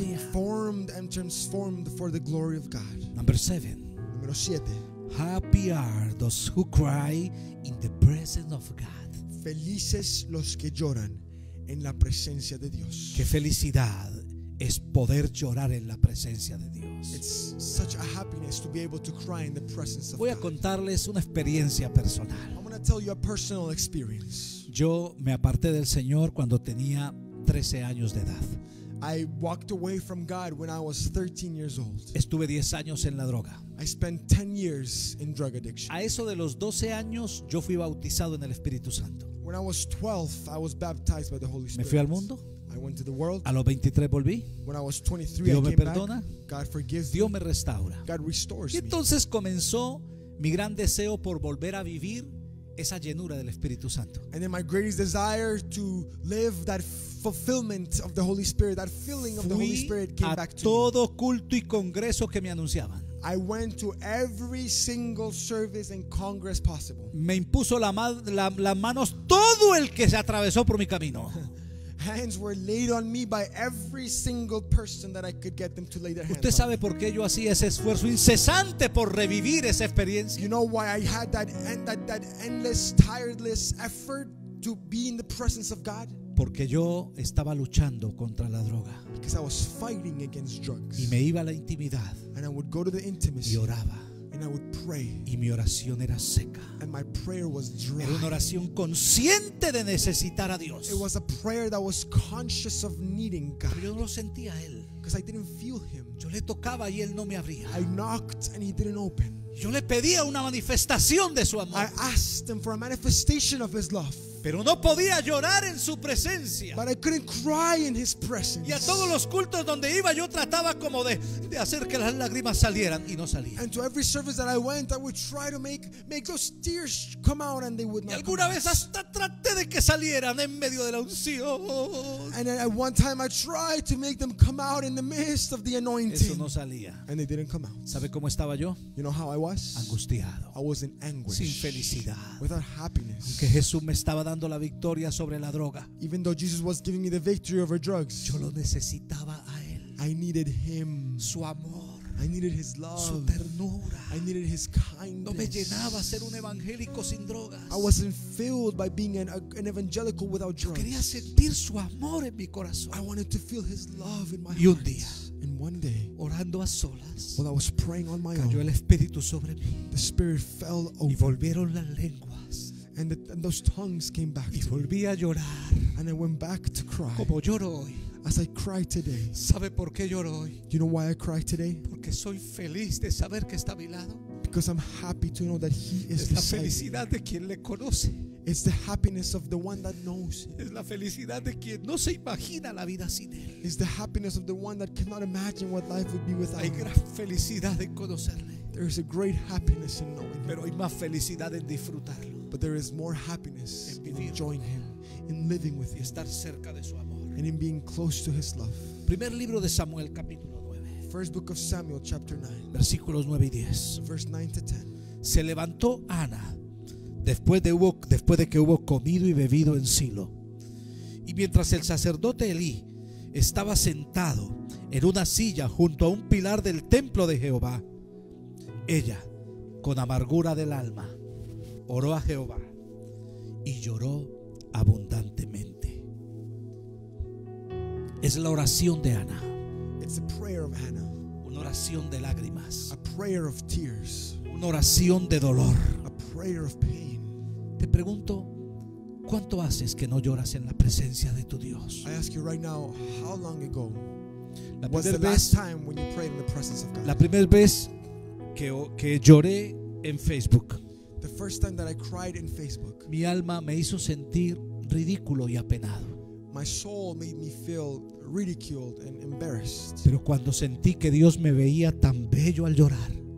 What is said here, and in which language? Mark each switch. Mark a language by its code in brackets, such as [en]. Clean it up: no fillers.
[en] being formed and transformed for the glory of God. [es] Número 7. [en] Happy are those who cry in the presence of God. [es] Felices los que lloran en la presencia de Dios. Qué felicidad es poder llorar en la presencia de Dios. [en] It's such a happiness to be able to cry in the presence of God. [es] Voy a contarles una experiencia personal. [en] I'm going to tell you a personal experience. [es] Yo me aparté del Señor cuando tenía 13 años de edad. [en] I walked away from God when I was 13 years old. [es] Estuve 10 años en la droga. [en] I spent 10 years in drug addiction. [es] A eso de los 12 años yo fui bautizado en el Espíritu Santo. [en] When I was 12, I was baptized by the Holy Spirit. [es] Me fui al mundo. [en] I went to the world. [es] A los 23 volví. [en] When I was 23, [es] Dios [en] I came [es] me perdona. [en] God forgives [es] Dios [en] me. [es] Me restaura. [en] God restores [es] y entonces [en] me. [es] Comenzó Mi gran deseo por volver a vivir esa llenura del Espíritu Santo. [en] And then my greatest desire to live that fulfillment of the Holy Spirit, that filling of the Holy Spirit came back to me. [es] Fui a todo culto y congreso que me anunciaban. [en] I went to every single service and congress possible. [es] Me impuso las manos todo el que se atravesó por mi camino. [en] Hands were laid on me by every single person that I could get them to lay their hands on. [es] ¿Usted sabe por qué yo hacía ese esfuerzo incesante por revivir esa experiencia? [en] You know why I had that endless, tireless effort to be in the presence of God? [es] Porque yo estaba luchando contra la droga. [en] Because I was fighting against drugs. [es] Y me iba a la intimidad. [en] And I would go to the intimacy. [es] Y oraba. [en] And I would pray. [es] Y mi oración era seca. [en] And my prayer was dry. [es] Era una oración consciente de necesitar a Dios. [en] It was a prayer that was conscious of needing God. [es] Pero yo no lo sentía a él. [en] Because I didn't feel him. [es] Yo le tocaba y él no me abría. [en] I knocked and he didn't open. [es] Yo le pedía una manifestación de su amor. [en] I asked him for a manifestation of his love. [es] Pero no podía llorar en su presencia. [en] But I couldn't cry in his presence. [es] Y a todos los cultos donde iba yo trataba como de hacer que las lágrimas salieran y no salían. [en] And to every service that I went, I would try to make those tears come out and they would not. [es] Y alguna vez hasta traté de que salieran en medio de la unción. [en] And at one time I tried to make them come out in the midst of the anointing. [es] Eso no salía. [en] And they didn't come out. [es] ¿Sabe cómo estaba yo? [en] You know how I was? [es] Angustiado. [en] I was in anguish. [es] Sin felicidad. [en] Without happiness. [es] Aunque Jesús me estaba dando la victoria sobre la droga. [en] Even though Jesus was giving me the victory over drugs. [es] Yo lo necesitaba a él. [en] I needed him. [es] Su amor. [en] I needed his love. [es] Su ternura. [en] I needed his kindness. [es] No me llenaba ser un evangélico sin drogas. [en] I wasn't filled by being an evangelical without drugs. [es] Yo quería sentir su amor en mi corazón. [en] I wanted to feel his love in my heart. [es] Y un día, [en] and one day, [es] orando a solas, [en] while I was praying on my own, [es] cayó el Espíritu sobre mí. [en] The Spirit fell over. [es] Y volvieron las lenguas. [en] And those tongues came back. [es] Y volví a llorar. [en] And I went back to cry. [es] Como lloro hoy. [en] As I cry today. [es] ¿Sabe por qué lloro hoy? [en] Do you know why I cry today? [es] Porque soy feliz de saber que está a mi lado. [en] Because I'm happy to know that he is beside me. [es] Es la felicidad de quien le conoce. [en] It's the happiness of the one that knows. [es] Es la felicidad de quien no se imagina la vida sin él. [en] It's the happiness of the one that cannot imagine what life would be without him. [es] Hay gran felicidad en conocerle. [en] There is a great happiness in knowing him. [es] Pero hay más felicidad en disfrutarlo. [en] But there is more happiness in enjoying him, in living with him, [es] estar cerca de su amor, [en] and in being close to his love. [es] Primer libro de Samuel, capítulo 9. [en] First book of Samuel, chapter 9. [es] Versículos 9 y 10. [en] Verse 9 to 10. [es] Se levantó Ana después de que hubo comido y bebido en Silo. Y mientras el sacerdote Elí estaba sentado en una silla junto a un pilar del templo de Jehová, ella, con amargura del alma, oró a Jehová y lloró abundantemente. Es la oración de Ana. [en] It's a prayer of Anna. [es] Una oración de lágrimas. [en] A prayer of tears. [es] Una oración de dolor. [en] A prayer of pain. [es] Te pregunto, ¿cuánto haces que no lloras en la presencia de tu Dios? [en] I ask you right now, how long ago was the last time when you prayed in the presence of God? [es] La primera vez que lloré en Facebook. [en] The first time that I cried in Facebook. [es] Mi alma me hizo sentir ridículo y apenado. [en] My soul made me feel ridiculed and embarrassed. [es] Pero cuando sentí que Dios me veía tan bello al llorar.